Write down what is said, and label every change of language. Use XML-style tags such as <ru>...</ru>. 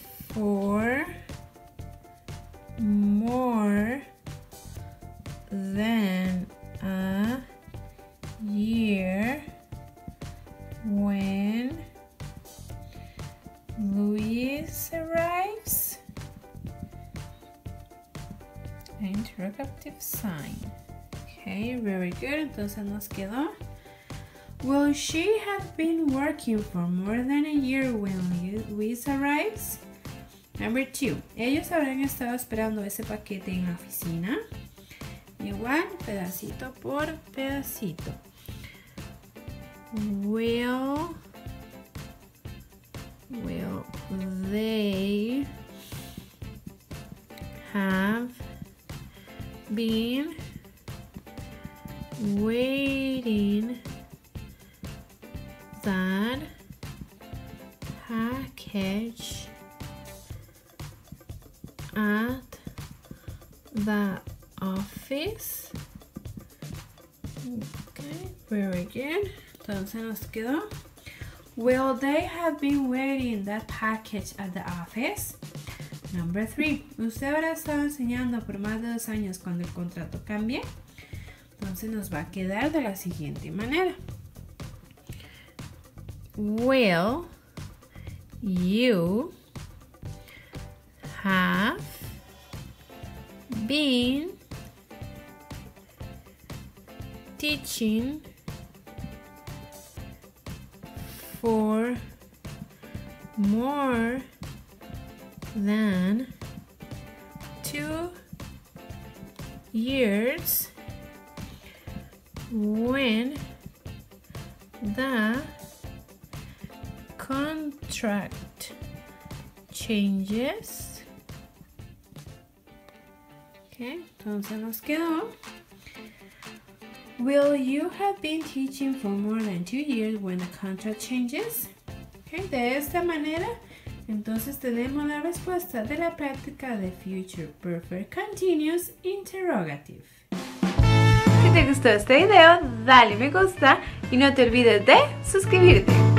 <en>for more than a year when Luis arrives? Interrogative sign. Okay, very good.</en> <es>Entonces nos quedó.</es> <en>Will she have been working for more than a year when Luis arrives? Number two.</en> <es>¿Ellos habrán estado esperando ese paquete en la oficina? Igual, pedacito por pedacito.</es> <en>Will they have been waiting that package at the office. Okay, very good.</en> <es>Entonces nos quedó.</es> <en>Will they have been waiting that package at the office? Number three.</en> <es>¿Usted habrá estado enseñando por más de 2 años cuando el contrato cambie? Entonces nos va a quedar de la siguiente manera.</es> <en>Will you have been teaching for more than 2 years when the contract changes?</en> <es>Okay, entonces nos quedó.</es> <en>Will you have been teaching for more than 2 years when the contract changes?</en> <es>Okay, de esta manera, entonces tenemos la respuesta de la práctica de Future Perfect Continuous Interrogative. Si te gustó este video, dale me gusta y no te olvides de suscribirte.</es>